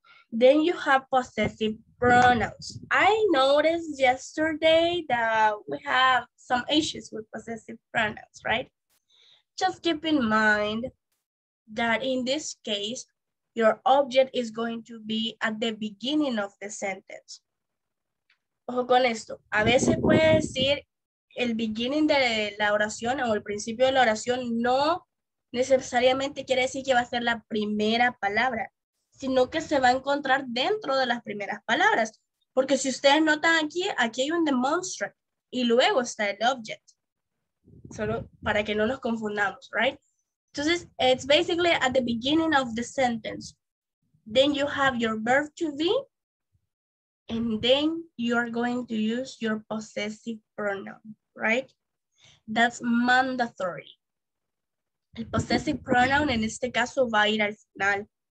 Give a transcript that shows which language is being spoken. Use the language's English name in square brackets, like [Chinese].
[English] Then you have possessive pronouns. I noticed yesterday that we have some issues with possessive pronouns, right? Just keep in mind that in this case, your object is going to be at the beginning of the sentence. [Spanish] Ojo con esto. A veces puede decir el beginning de la oración o el principio de la oración no necesariamente quiere decir que va a ser la primera palabra, sino que se va a encontrar dentro de las primeras palabras. Porque si ustedes notan aquí, aquí hay un demonstrate y luego está el object. Solo para que no nos confundamos, right? [English] Entonces, it's basically at the beginning of the sentence. Then you have your verb to be, and then you are going to use your possessive pronoun, right? That's mandatory. [Spanish] El possessive pronoun en este caso va a ir al final.